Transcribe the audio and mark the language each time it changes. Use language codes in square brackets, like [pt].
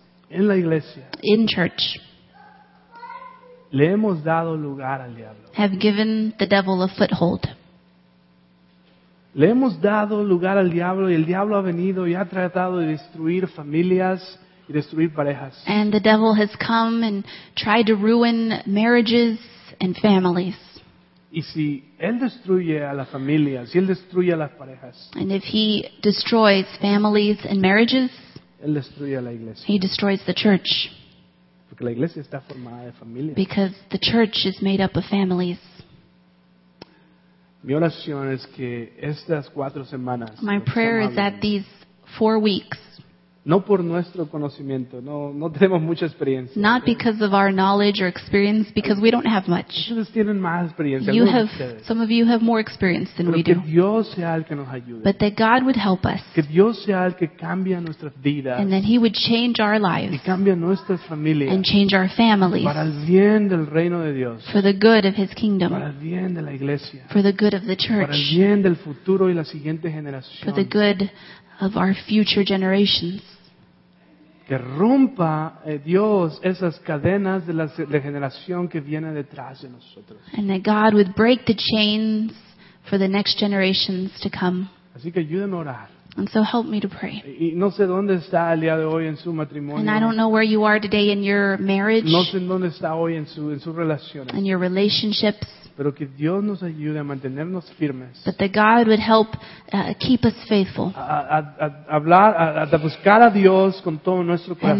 [es] En la iglesia. [en] In church. [es] Le hemos dado lugar al diablo. [en] Have given the devil a foothold. [es] Le hemos dado lugar al diablo y el diablo ha venido y ha tratado de destruir familias y destruir parejas. [en] And the devil has come and tried to ruin marriages and families. [es] Y si él destruye a las familias, si él destruye a las parejas. [en] And if he destroys families and marriages, [es] él destruye a la iglesia. [en] He destroys the church. [es] Porque la iglesia está formada de familias. [en] Because the church is made up of families. [es] Mi oración es que estas cuatro semanas. [en] My prayer is that these 4 weeks. [es] No por nuestro conocimiento, no tenemos mucha experiencia. [en] Not because of our knowledge or experience, because we don't have much. [es] Ustedes tienen más experiencia. [en] You have some of you have more experience than we do. [es] Pero que Dios sea el que nos ayude. [en] But that God would help us. [es] Que Dios sea el que cambie nuestras vidas. [en] And that He would change our lives. [es] Y cambie nuestras familias. [en] And change our families. [es] Para el bien del reino de Dios. [en] For the good of His kingdom. [es] Para el bien de la iglesia. [en] For the good of the church. [es] Para el bien del futuro y la siguiente generación. [en] For the good of our future generations. [es] Que rompa Dios esas cadenas de la generación que viene detrás de nosotros. [en] And that God would break the chains for the next generations to come. [es] Así que ayúdenme a orar. [en] And so help me to pray. [es] Y no sé dónde está el día de hoy en su matrimonio. [en] And I don't know where you are today in your marriage. [es] No sé dónde está hoy en sus relaciones. [en] And your relationships. [es] Pero que Dios nos ayude a mantenernos firmes. [en] But that God would help keep us faithful. [es] A buscar a Dios con todo nuestro corazón.